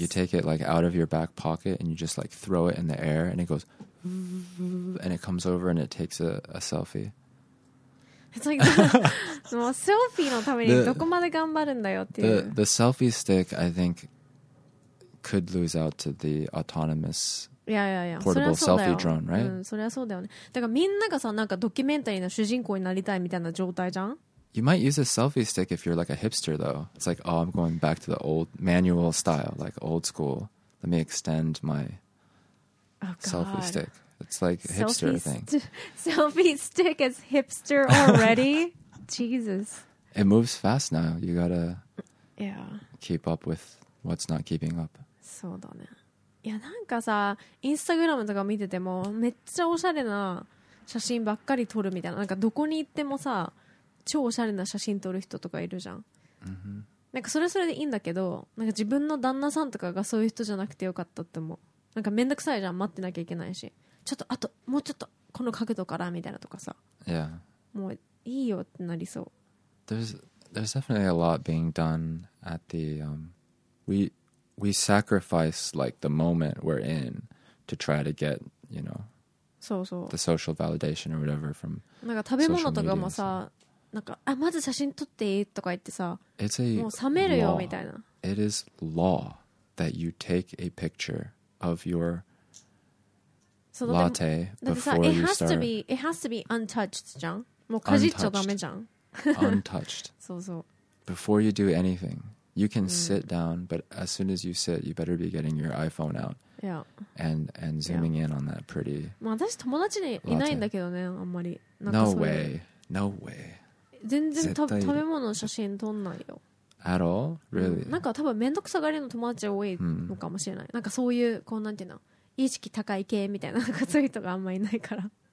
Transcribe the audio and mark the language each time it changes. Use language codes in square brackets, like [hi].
[en] You take it like out of your back pocket and you just like throw it in the air and it goes, and it comes over and it takes a selfie. [ja] It's like selfie のためにどこまで頑張るんだよっていう。 [en] The selfie stick, I think, could lose out to the autonomous. Yeah, yeah, yeah. Portable selfie drone, right? [ja] それはそうだよね。だからみんながさ、なんかドキュメンタリーの主人公になりたいみたいな状態じゃん? [en] You might use a selfie stick if you're like a hipster, though. It's like, oh, I'm going back to the old manual style, like old school. Let me extend my selfie stick. It's like a hipster thing. Selfie stick is hipster already? Jesus. It moves fast now. You gotta keep up with what's not keeping up. [ja] そうだね。いやなんかさインスタグラムとか見ててもめっちゃおしゃれな写真ばっかり撮るみたいななんかどこに行ってもさ超おしゃれな写真撮る人とかいるじゃん、 mm-hmm. なんかそれそれでいいんだけどなんか自分の旦那さんとかがそういう人じゃなくてよかったって思うなんかめんどくさいじゃん待ってなきゃいけないしちょっとあともうちょっとこの角度からみたいなとかさ、 [en] yeah. [ja] もういいよってなりそう [en] There's definitely a lot being done at the We sacrifice like the moment we're in to try to get, you know, [ja] そうそう [en] the social validation or whatever from [ja] なんか食べ物とかもさ、なんかあまず写真撮っていいとか言ってさ、 [en] It's a [ja] もう冷めるよみたいな。 [en] It is law that you take a picture of your latte before you start. It has to be untouched, [ja] じゃん。もうかじっちゃダメじゃん。 [en] Untouched. [ja] そうそう。 [en] Before you do anything. You can sit down, but as soon as you sit, you better be getting your iPhone out and zooming in on that pretty latte. [ja] 私友達にいないんだけどね、あんまり。 [en] No way. No way. [ja] 全然食べ物の写真撮んないよ。 [en] At all? Really? [ja] なんか多分めんどくさがりの友達多いのかもしれない。なんかそういう、こうなんていうの、意識高い系みたいな、そういう人があんまりいないから。